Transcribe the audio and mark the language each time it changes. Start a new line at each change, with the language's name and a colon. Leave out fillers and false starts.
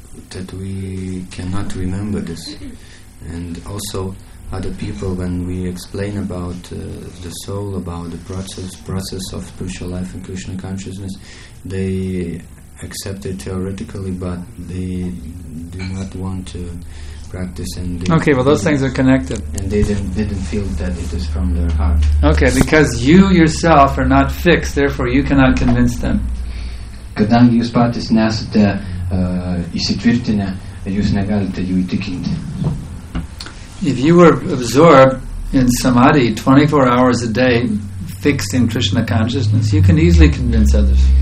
English: that we cannot remember this, and also other people, when we explain about the soul, about the process of spiritual life and Krishna consciousness, they accept it theoretically, but they do not want to practice. And okay, well, those things are connected, and they didn't feel that it is from their heart. Okay, because you yourself are not fixed, therefore you cannot convince them.
Lithuanian: Kadangi jūs patys nesate įsitvirtinę, jūs negalite jų įtikinti.
English: If you were absorbed in samadhi 24 hours a day, fixed in Krishna consciousness, you can easily convince others.